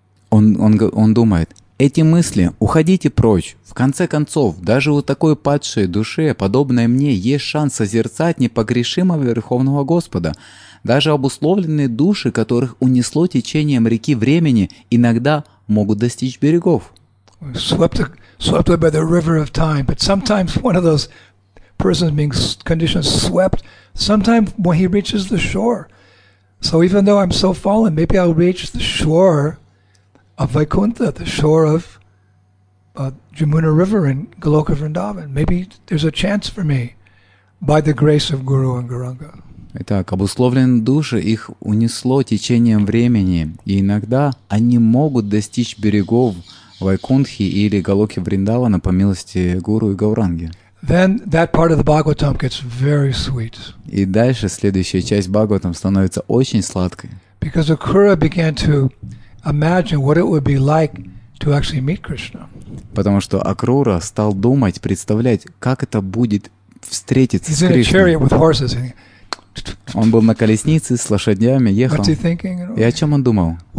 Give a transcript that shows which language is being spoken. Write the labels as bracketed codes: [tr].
[ru] Он думает, эти мысли, уходите прочь. В конце концов, даже у такой падшей души, подобной мне, есть шанс созерцать непогрешимого Верховного Господа. Даже обусловленные души, которых унесло течением реки времени, иногда могут достичь берегов. [en] Swept by the river of time, but sometimes one of those persons being conditioned swept, sometimes when he reaches the shore. So even though I'm so fallen, maybe I'll reach the shore of Vaikuntha, the shore of Jamuna River in Goloka Vrindavan. Maybe there's a chance for me by the grace of Guru and Gauranga. [ru] Итак, обусловленные души, их унесло течением времени, и иногда они могут достичь берегов Вайкунтхи или Галоки Вриндавана по милости Гуру и Гауранги. [en] Then that part of the Bhagavatam gets very sweet. [ru] И дальше следующая часть Бхагаватам становится очень сладкой. [en] Because Akura began to imagine what it would be like to actually meet Krishna. [ru] Потому что Акрура стал думать, представлять, как это будет встретиться [en] He's [ru] с Кришной. [en] He's in a chariot with horses. [ru] Он был на колеснице с лошадями, ехал. И о чем он думал?